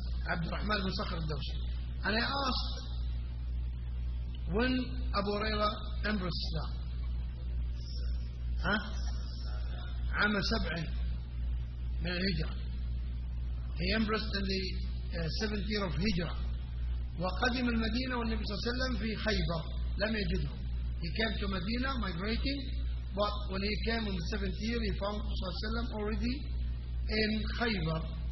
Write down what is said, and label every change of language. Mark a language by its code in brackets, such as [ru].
[en] Abd al-Rahman ibn Sakhr al-Dawsi. And I asked, when Abu Huraira embraced Islam, [ar] عام سبع من الهجرة. [en] He embraced in the seventh year of Hijra. [ar] وقدم المدينة والنبي صلى الله عليه وسلم في خيبر لم يجده. [en] He came to Medina migrating, but when he came in the seventh year, he found صلى الله عليه وسلم already in خيبر.